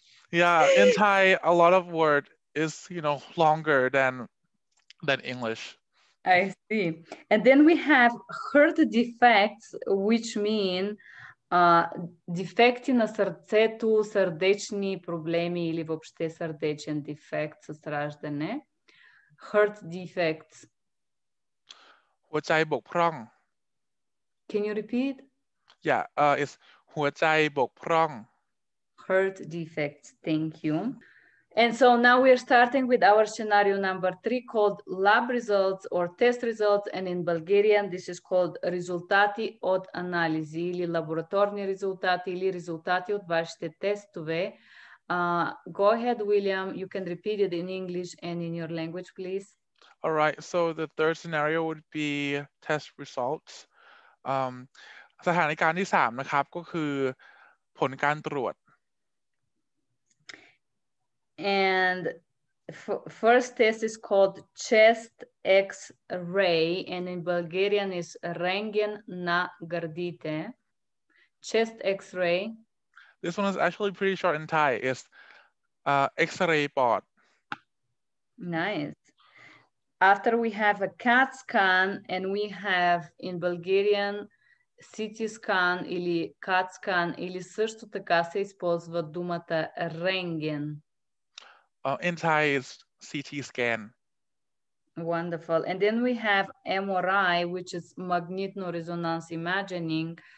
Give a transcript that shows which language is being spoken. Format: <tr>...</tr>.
<en>Yeah, in Thai, a lot of word is, you know, longer than English. I see. And then we have heart defects, which mean...</en> <bg>дефекти на сърцето, сърдечни проблеми или въобще сърдечен дефект с раждане.</bg> <en>Heart defects.</en> <th>หัวใจบกพร่อง.</th> <en>Can you repeat? Yeah, it's หัวใจบกพร่อง. Heart defects, thank you. And so now we're starting with our scenario number three called lab results or test results. And in Bulgarian, this is called</en> <bg>резултати от анализи или лабораторни резултати или резултати от вашите тестове.</bg> <en>Go ahead, William. You can repeat it in English and in your language, please. All right. So the third scenario would be test results.</en> <th>สถานการณ์ที่สามนะครับก็คือผลการตรวจ</th> <en>And first test is called chest X-ray, and in Bulgarian is</en> <bg>рентген на гърдите.</bg> <en>Chest X-ray. This one is actually pretty short in Thai. It's X-ray ปอด. Nice. After we have a CAT scan, and we have in Bulgarian CT scan</en> <bg>или CAT scan, или също така се използва думата рентген.</bg> <en>In Thai, it's CT scan. Wonderful. And then we have MRI, which is magnetic resonance imaging.</en>